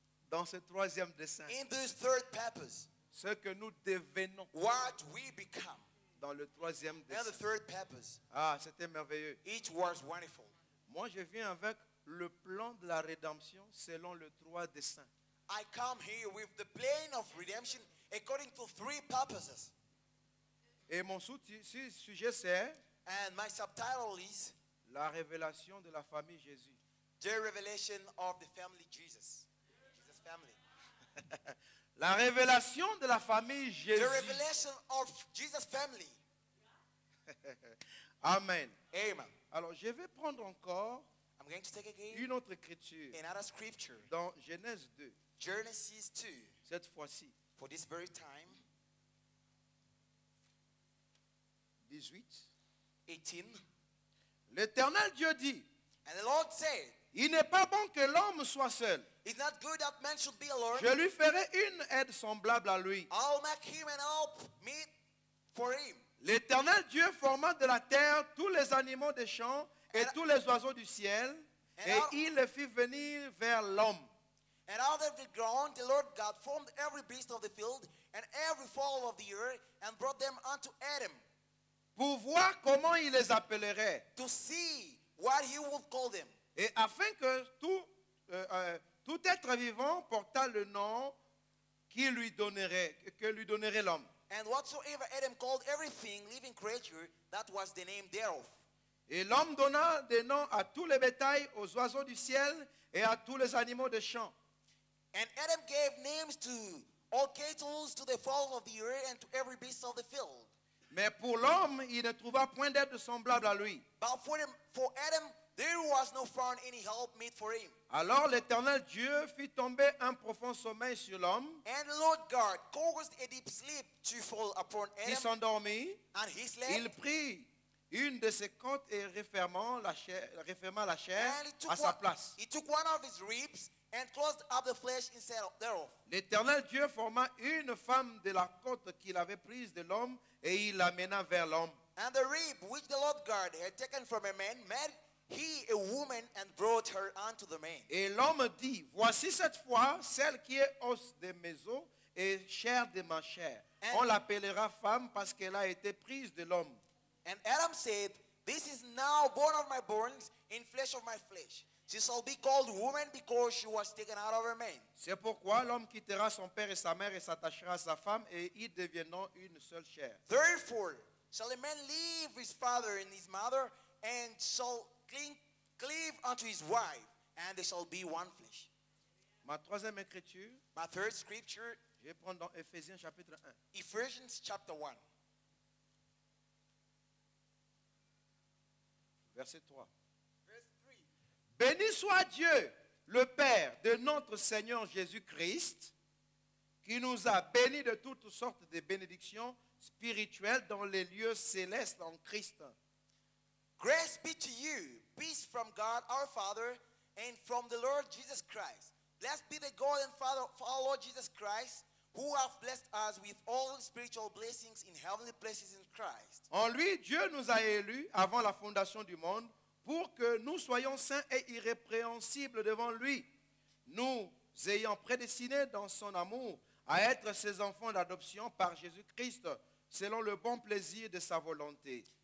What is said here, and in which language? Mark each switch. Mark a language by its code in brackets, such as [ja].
[fr] Dans ce troisième dessin. [en] In this third purpose. [fr] Ce que nous devenons. [en] What we become. [fr] Dans le troisième dessin. [en] And the third purpose. [fr] Ah, c'était merveilleux. [en] It was wonderful. [fr] Moi, je viens avec le plan de la rédemption selon le trois dessins. [en] I come here with the plan of redemption according to three purposes. [fr] Et mon sujet c'est. [en] And my subtitle is. [fr] La révélation de la famille Jésus. [en] The revelation of the family Jesus. Jesus family. [fr] La révélation de la famille Jésus. [en] The revelation of Jesus family. [fr] Amen. [en] Amen. [fr] Alors je vais prendre encore. [en] I'm going to take again. [fr] Une autre écriture. [en] Another scripture. [fr] Dans Genèse 2. [en] Genesis 2. [fr] Cette fois-ci. [en] For this very time. [fr] 18. [en] 18. [fr] L'Éternel Dieu dit. [en] And the Lord said. [fr] Il n'est pas bon que l'homme soit seul. [en] It's not good that man should be alone. [fr] Je lui ferai une aide semblable à lui. [en] I'll make him an help meet for him. [fr] L'Éternel Dieu forma de la terre tous les animaux des champs et tous les oiseaux du ciel et il les fit venir vers l'homme. [en] And out of the ground, the Lord God formed every beast of the field and every fowl of the earth and brought them unto Adam. [fr] Pour voir comment il les appellerait. [en] To see what he would call them. [fr] Et afin que tout, Tout être vivant porta le nom que lui donnerait l'homme. [en] And whatsoever Adam called everything living creature, that was the name thereof. [fr] Et l'homme donna des noms à tous les bétails, aux oiseaux du ciel et à tous les animaux de champ. [en] And Adam gave names to all cattle, to the fowl of the air, and to every beast of the field. [fr] Mais pour l'homme, il ne trouva point d'aide semblable à lui. [en] But for Adam, there was no found any help meet for him. [fr] Alors l'Éternel Dieu fit tomber un profond sommeil sur l'homme. [en] And the Lord God caused a deep sleep to fall upon Adam. [fr] Il s'endormit. [en] And he slept. [fr] Il prit une de ses côtes et referma la chair à sa place. [en] He took one of his ribs and closed up the flesh instead thereof. [fr] L'Éternel Dieu forma une femme de la côte qu'il avait prise de l'homme et il l'amena vers l'homme. [en] And the rib which the Lord God had taken from a man made he a woman and brought her unto the man. [fr] Et l'homme dit, voici cette fois celle qui est os de mes os et chair de ma chair. And on l'appellera femme parce qu'elle a été prise de l'homme. [en] And Adam said, this is now bone of my bones and flesh of my flesh. She shall be called woman because she was taken out of a man. [fr] C'est pourquoi l'homme quittera son père et sa mère et s'attachera à sa femme et ils deviendront une seule chair. [en] Therefore, shall a man leave his father and his mother and shall cleave unto his wife and they shall be one flesh. [fr] Ma troisième écriture. [en] My third scripture. [fr] Je prends dans Ephésiens chapitre 1. [en] Ephesians chapter 1. [fr] Verset 3. [en] Verse 3. [fr] Béni soit Dieu, le Père de notre Seigneur Jésus-Christ, qui nous a bénis de toutes sortes de bénédictions spirituelles dans les lieux célestes en Christ. [en] Grace be to you, peace from God our Father, and from the Lord Jesus Christ. Blessed be the God and Father of our Lord Jesus Christ, who hath blessed us with all spiritual blessings in heavenly places in Christ. [fr] En lui, Dieu nous a élus avant la fondation du monde pour que nous soyons saints et irrépréhensibles devant lui, nous ayant prédestinés dans son amour à être ses enfants d'adoption par Jésus Christ, selon le bon plaisir de sa volonté.